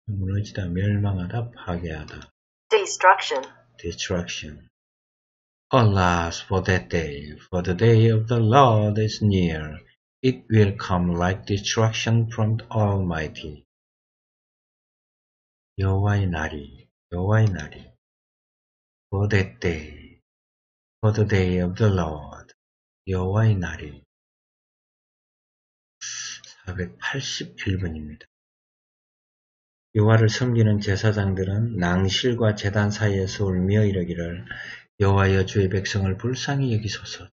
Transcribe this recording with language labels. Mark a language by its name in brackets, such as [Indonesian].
[Korean] 무너지다, 멸망하다, 파괴하다. [English] destruction. destruction. Alas for that day, for the day of the Lord is near. It will come like destruction from the Almighty. [Korean] 여호와의 날이, 여호와의 날이. [English] For that day, for the day of the Lord, [Korean] 여호와의 날이. 481번입니다. 여호와를 섬기는 제사장들은 낭실과 제단 사이에서 울며 이르기를, 여호와여, 주의 백성을 불쌍히 여기소서.